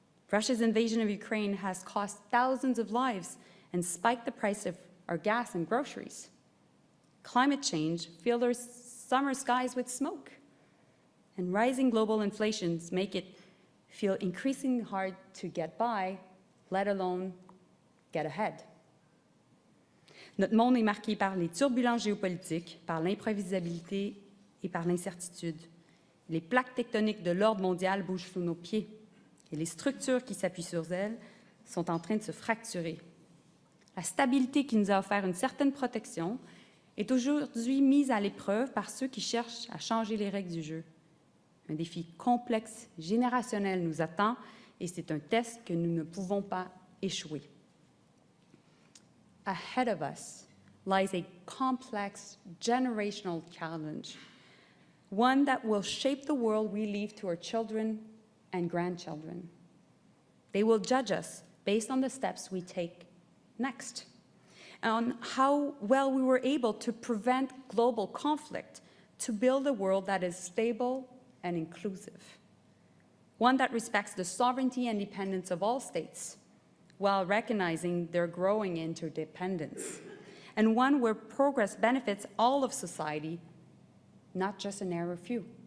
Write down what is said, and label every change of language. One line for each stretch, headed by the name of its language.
English: Russia's invasion of Ukraine has cost thousands of lives and spiked the price of our gas and groceries. Climate change fills our summer skies with smoke, and rising global inflations make it feel increasingly hard to get by, let alone get ahead.
French: Notre monde est marqué par les turbulences géopolitiques, par l'imprévisibilité et par l'incertitude. Les plaques tectoniques de l'ordre mondial bougent sous nos pieds et les structures qui s'appuient sur elles sont en train de se fracturer. La stabilité qui nous a offert une certaine protection est aujourd'hui mise à l'épreuve par ceux qui cherchent à changer les règles du jeu. Un défi complexe, générationnel nous attend et c'est un test que nous ne pouvons pas échouer.
English: Ahead of us lies a complex generational challenge, one that will shape the world we leave to our children and grandchildren. They will judge us based on the steps we take next, on how well we were able to prevent global conflict, to build a world that is stable and inclusive, one that respects the sovereignty and independence of all states, while recognizing their growing interdependence, and one where progress benefits all of society, not just a narrow few.